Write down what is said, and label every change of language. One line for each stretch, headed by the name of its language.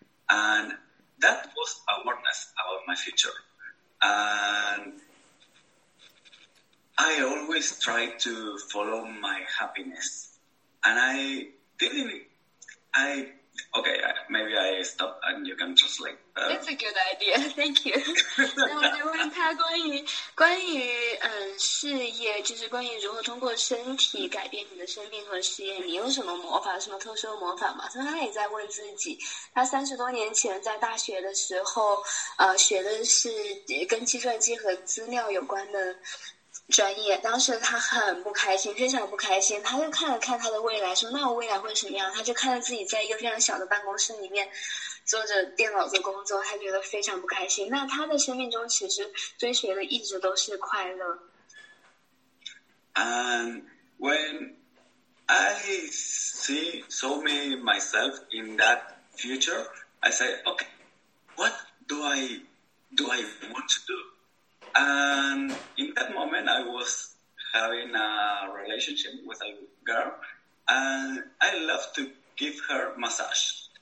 English: And that was awareness about my future. And I always try to follow my happiness, and maybe I stop and you can translate. That's a good idea. Thank you.
Chinese: 那我就问他关于事业，就是关于如何通过身体改变你的生命和事业，你有什么魔法，什么特殊的魔法吗？他也在问自己，他30多年前在大学的时候，学的是跟计算机和资料有关的专业，当时他很不开心，非常不开心。他就看了看他的未来，说："那我未来会什么样？"他就看着自己在一个非常小的办公室里面坐着电脑做工作，他觉得非常不开心。那他的生命中其实追随的一直都是快乐。
English: And when I see so me myself in that future, I say, okay, what do I want to do? And in that moment, I was having a relationship with a girl, and I love to give her massage.